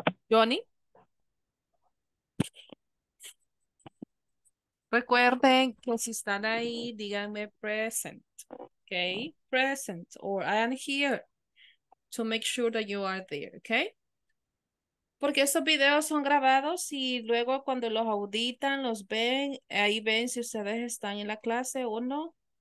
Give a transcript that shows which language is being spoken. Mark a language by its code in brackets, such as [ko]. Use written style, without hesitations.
[es] Johnny, recuerden que si están ahí, díganme present, okay? [en] Present, or I am here, to make sure that you are there, okay? [es] Porque esos videos son grabados y luego cuando los auditan, los ven, ahí ven si ustedes están en la clase o no.